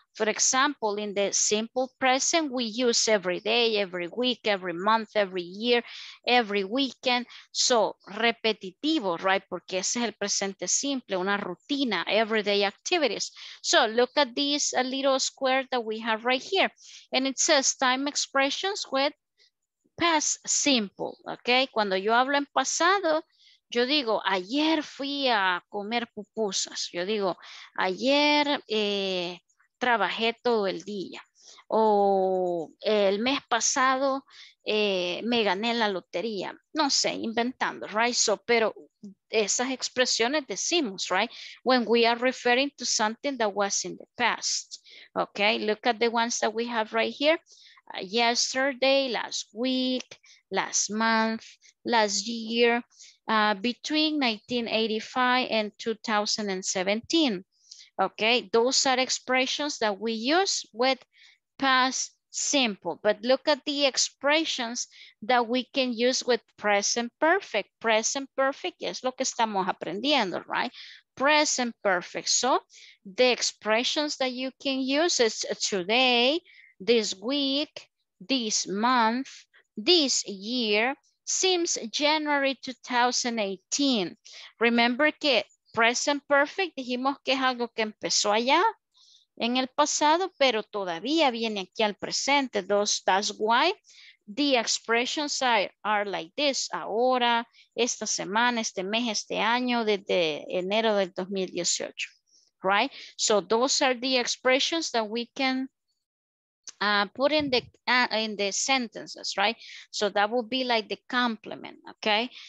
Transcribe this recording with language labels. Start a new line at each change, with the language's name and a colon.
English: For example, in the simple present, we use every day, every week, every month, every year, every weekend.
Spanish: So, repetitivo, right? Porque ese es el presente simple, una rutina,
English: everyday activities. So, look at this little square that we have right here. And it says time expressions with past simple, okay?
Spanish: Cuando yo hablo en pasado, yo digo, ayer fui a comer pupusas. Yo digo, ayer trabajé todo el día, o el mes pasado me gané la lotería, no sé, inventando, right? So, pero esas expresiones decimos, right?
English: When we are referring to something that was in the past, okay? Look at the ones that we have right here. Yesterday, last week, last month, last year, between 1985 and 2017. Okay, those are expressions that we use with past simple. But look at the expressions that we can use with present perfect.
Spanish: Present perfect es lo que estamos aprendiendo, right? Present perfect.
English: So the expressions that you can use is today, this week, this month, this year, since January 2018.
Spanish: Remember que present perfect, dijimos que es algo que empezó allá en el pasado, pero todavía viene aquí al presente.
English: That's why the expressions are like this.
Spanish: Ahora, esta semana, este mes, este año, desde enero del 2018, right?
English: So those are the expressions that we can put in the sentences, right? So that would be like the complement, okay?